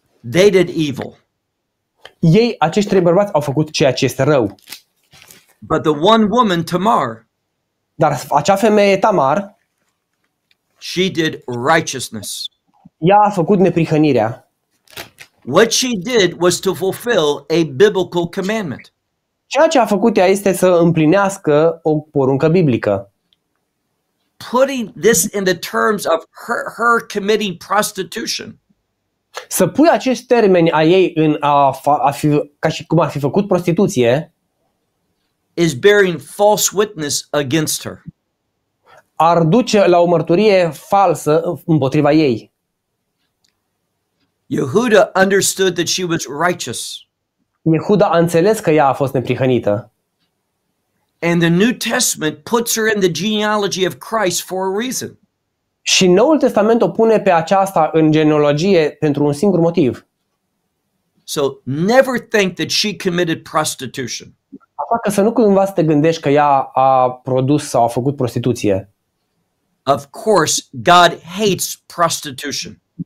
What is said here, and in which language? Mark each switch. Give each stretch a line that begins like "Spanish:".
English: They did evil.
Romanian: Ei, acești trei bărbați, au făcut ceea ce este rău.
English: But the one woman, Tamar.
Romanian: Dar acea femeie, Tamar,
English: she did righteousness.
Romanian: Ea a făcut neprihănirea.
English: What she did was to fulfill a biblical commandment.
Romanian: Ceea ce a făcut ea este să împlinească o poruncă biblică.
English: Putting this in the terms of her committing prostitution.
Romanian: Să pui acest termen a ei în a fi ca și cum ar fi făcut prostituție
English: is bearing false witness against her.
Romanian: Ar duce la o mărturie falsă împotriva ei.
English: Yehuda understood that she was righteous.
Romanian: Yehuda a înțeles că ea a fost neprihănită.
English: And the New Testament puts her in the genealogy of Christ for a reason.
Romanian: Și Noul Testament o pune pe aceasta în genealogie pentru un singur motiv.
English: So never think that she committed prostitution.
Romanian: Așa că să nu cumva să te gândești că ea a produs sau a făcut prostituție.
English: Of course, God hates prostitution.